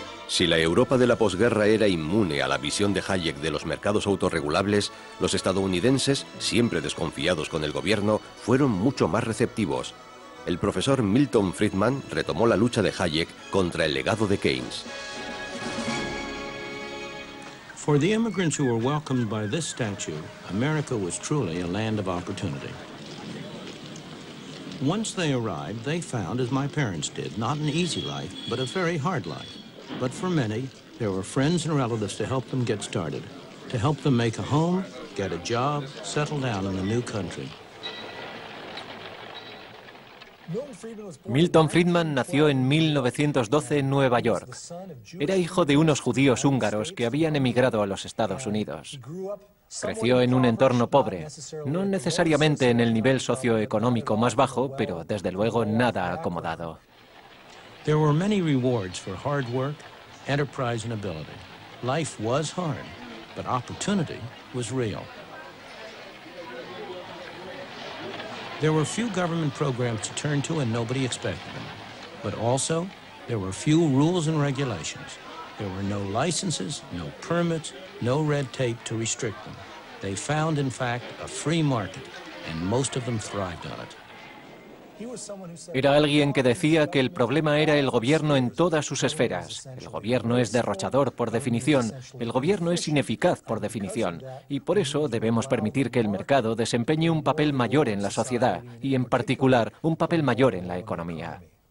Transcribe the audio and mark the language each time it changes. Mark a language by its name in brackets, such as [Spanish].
[Spanish] Si la Europa de la posguerra era inmune a la visión de Hayek de los mercados autorregulables, los estadounidenses, siempre desconfiados con el gobierno, fueron mucho más receptivos. El profesor Milton Friedman retomó la lucha de Hayek contra el legado de Keynes. [English] For the immigrants who were welcomed by this statue, America was truly a land of opportunity. Once they arrived, they found, as my parents did, not an easy life, but a very hard life. But for many, there were friends and relatives to help them get started, to help them make a home, get a job, settle down in a new country. [Spanish] Milton Friedman nació en 1912 en Nueva York. Era hijo de unos judíos húngaros que habían emigrado a los Estados Unidos. Creció en un entorno pobre, no necesariamente en el nivel socioeconómico más bajo, pero desde luego nada acomodado. [English] There were many rewards for hard work, enterprise and ability. Life was hard, but opportunity was real. There were few government programs to turn to and nobody expected them. But also, there were few rules and regulations. There were no licenses, no permits, no red tape to restrict them. They found, in fact, a free market, and most of them thrived on it. [Spanish] Era alguien que decía que el problema era el gobierno en todas sus esferas. El gobierno es derrochador por definición, el gobierno es ineficaz por definición, y por eso debemos permitir que el mercado desempeñe un papel mayor en la sociedad, y en particular, un papel mayor en la economía.